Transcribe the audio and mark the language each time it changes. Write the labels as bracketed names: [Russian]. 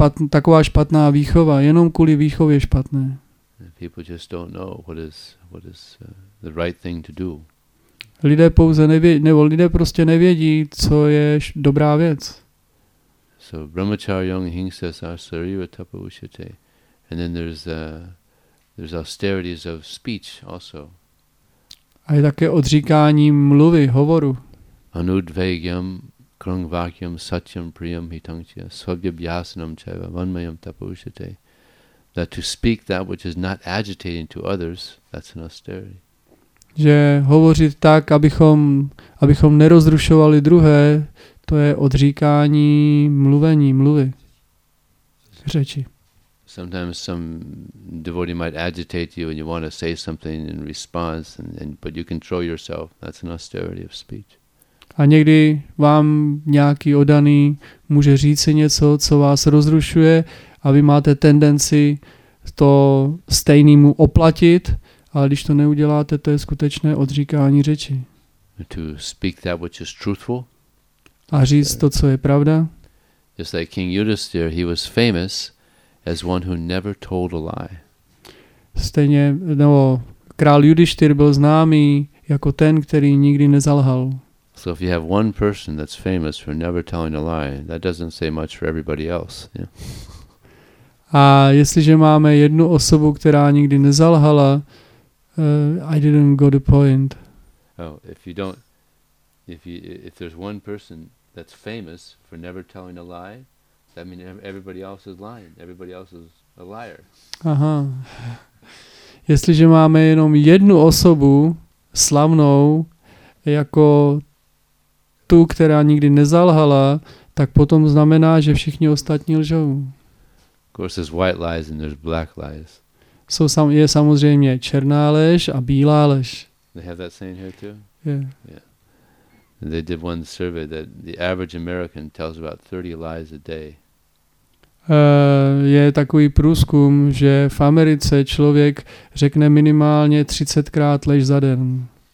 [Czech] Taková špatná výchova, jenom kvůli výchově špatné. [English] People just don't know what is the right thing to do. [Czech] Lidé pouze nevědí, nebo lidé prostě nevědí, co je dobrá věc. [English] So [Sanskrit] Brahmacharyam Ahimsa Sarira Tapa Ushyate, [English] and then there's austerities of speech also. [Czech] A je také odříkání mluvy, hovoru. [Sanskrit] Anudvegyam krungvakyam satyam priyam hitangcya svabhyabhyasanam caiva vanmayam tapa ushyate. [English] That to speak that which is not agitating to others, that's an austerity. [Czech] Že hovořit tak, abychom nerozrušovali druhé, to je odříkání mluvy. Řeči. [English] Sometimes some devotee might agitate you and you want to say something in response but you control yourself. That's an austerity of speech. [Czech] A někdy vám nějaký oddaný může říct něco, co vás rozrušuje, a vy máte tendenci to stejnému oplatit, ale když to neuděláte, to je skutečné odříkání řeči. [English] To speak that which is truthful. [Czech] A říct to, co je pravda. [English] Just like King Yudhisthira, he was famous as one who never told a lie. [Czech] Stejně, no, král Yudhisthira byl známý jako ten, který nikdy nezalhal. [English] So if you have one person that's famous for never telling a lie, that doesn't say much for everybody else. Yeah. [Czech] A jestliže máme jednu osobu, která nikdy nezalhala, [English] I didn't go to point. Oh, if there's one person that's famous for never telling a lie, that means everybody else is lying. Everybody else is a liar. Aha. [Czech] Jestliže máme jenom jednu osobu slavnou jako tu, která nikdy nezalhala, tak potom znamená, že všichni ostatní lžou. [English] Of course, there's white lies and there's black lies. [Czech] So je samozřejmě černá lež a bílá lež. [English] They have that saying here too? Yeah. Yeah. They did one survey that the average American tells about 30 lies a day. [Czech] Je takový průzkum, že v Americe člověk řekne minimálně 30krát lež za den.